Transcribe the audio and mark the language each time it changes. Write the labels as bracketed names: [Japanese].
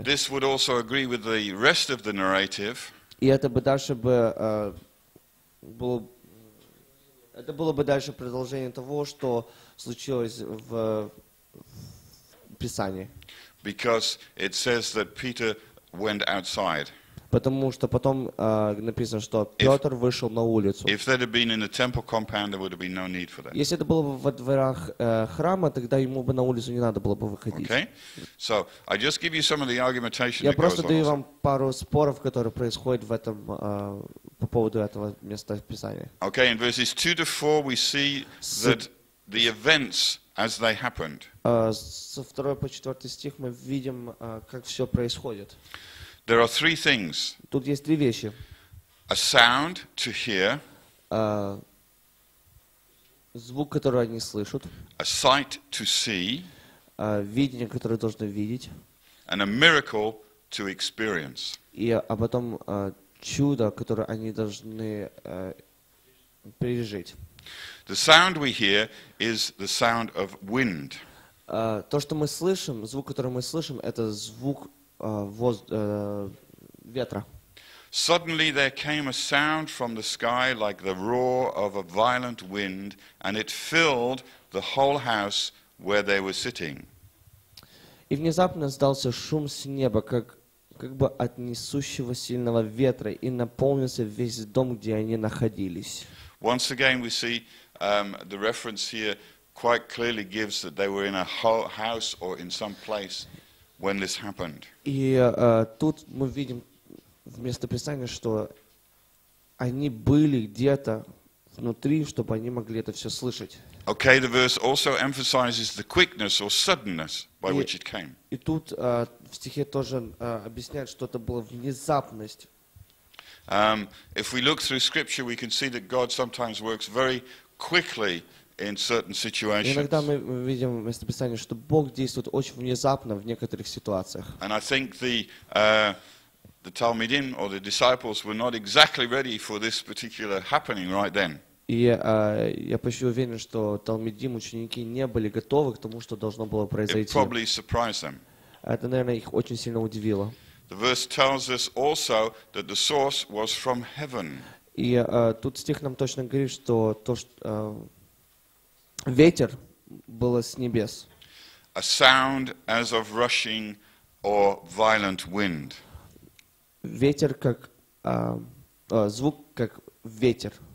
[English] This would also agree with the rest of the narrative. [Russian] И это бы дальше бы было. Это было бы дальше продолжение того, что случилось в Писании. [English] Because it says that Peter went outside. [Russian] Потому что потом написано, что Петр вышел на улицу. [English] If that had been in the temple compound, there would have been no need for that. [Russian] Если это было бы во дворах храма, тогда ему бы на улицу не надо было бы выходить. [English] Okay. So I just give you some of the argumentation. [Russian] Я просто даю вам пару споров, которые происходят в этом по поводу этого места Писания. [English] Okay, in verses 2-4 we see that the events as they happened. [Russian] Со 2 по 4 стих мы видим, как все происходит. [English] There are three things. [Russian] Тут есть три вещи. [English] A sound to hear. [Russian] Звук, который они слышат. [English] A sight to see. [Russian] Видение, которое должны видеть. [English] And a miracle to experience. [Russian] И а потом чудо, которое они должны пережить. [English] The sound we hear is the sound of wind. [Russian] То, что мы слышим, звук, который мы слышим, это звук ветра. [English] Suddenly there came a sound from the sky like the roar of a violent wind, and it filled the whole house where they were sitting. [Russian] И внезапно раздался шум с неба, как бы от несущего сильного ветра, и наполнился весь дом, где они находились. [English] Once again we see the reference here quite clearly gives that they were in a whole house or in some place when this happened. [Russian] И тут мы видим в местописании, что они были где-то внутри, чтобы они могли это все слышать. [English] Okay, the verse also emphasizes the quickness or suddenness by which it came. [Russian] И тут в стихе тоже объясняют, что это была внезапность. [English] If we look through scripture, we can see that God sometimes works very quickly in certain situations. [Russian] Иногда мы видим в местописании, что Бог действует очень внезапно в некоторых ситуациях. [English] And I think the Talmidim or the disciples were not exactly ready for this particular happening right then. [Russian] я почти уверен, что Талмидим, ученики, не были готовы к тому, что должно было произойти. [English] It probably surprised them. [Russian] Это, наверное, их очень сильно удивило. [English] The verse tells us also that the source was from heaven. [Russian] И тут стих нам точно говорит, что то, что ветер было с небес. [English] A sound as of rushing or violent wind. [Russian] Ветер как звук как ветер.